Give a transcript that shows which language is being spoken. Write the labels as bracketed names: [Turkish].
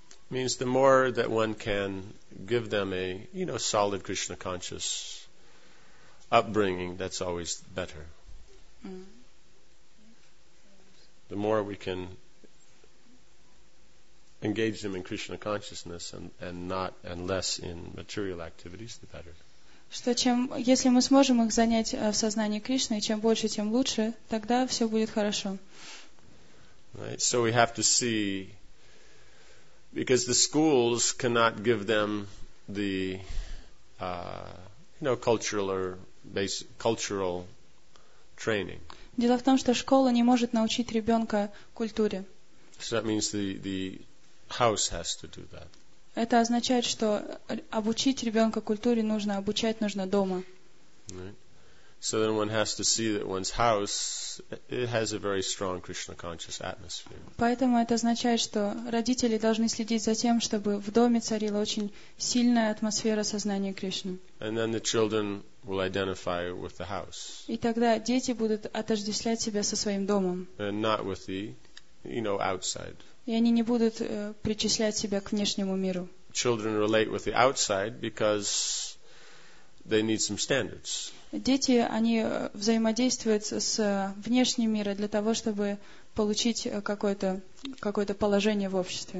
[English] Means the more that one can give them a, you know, solid Krishna conscious upbringing, that's always better. Mm. The more we can engage them in Krishna consciousness and less in material activities, the better. [Russian] Что чем, если мы сможем их занять в сознании Кришны, чем больше, тем лучше, тогда все будет хорошо. [English] Right. So we have to see. Because the schools cannot give them the cultural or basic cultural training. [Russian] Дело в том, что школа не может научить ребенка культуре. [English] So that means the house has to do that. [Russian] Это означает, что обучить ребенка культуре нужно обучать нужно дома. [English] Right. So then one has to see that one's house, it has a very strong Krishna conscious atmosphere. [Russian] Поэтому это означает, что родители должны следить за тем, чтобы в доме царила очень сильная атмосфера сознания Кришны. [English] And then the children will identify with the house. [Russian] И тогда дети будут отождествлять себя со своим домом. [English] And not with the, outside. [Russian] И они не будут причислять себя к внешнему миру. [English] Children relate with the outside because they need some standards. [Russian] Дети, они взаимодействуют с внешним миром для того, чтобы получить какое-то положение в обществе.